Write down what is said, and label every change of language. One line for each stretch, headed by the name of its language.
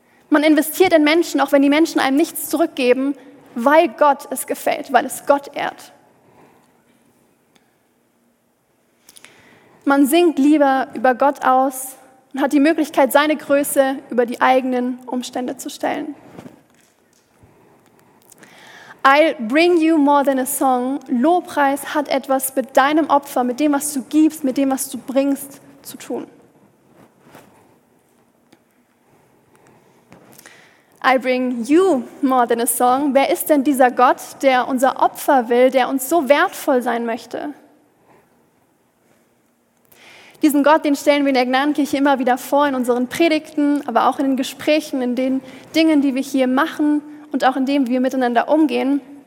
German: Man investiert in Menschen, auch wenn die Menschen einem nichts zurückgeben, weil Gott es gefällt, weil es Gott ehrt. Man singt lieber über Gott aus und hat die Möglichkeit, seine Größe über die eigenen Umstände zu stellen.
English: I'll bring you more than a song.
German: Lobpreis hat etwas mit deinem Opfer, mit dem, was du gibst, mit dem, was du bringst, zu tun.
English: I'll bring you more than a song.
German: Wer ist denn dieser Gott, der unser Opfer will, der uns so wertvoll sein möchte? Diesen Gott, den stellen wir in der Gnadenkirche immer wieder vor, in unseren Predigten, aber auch in den Gesprächen, in den Dingen, die wir hier machen und auch in dem, wie wir miteinander umgehen.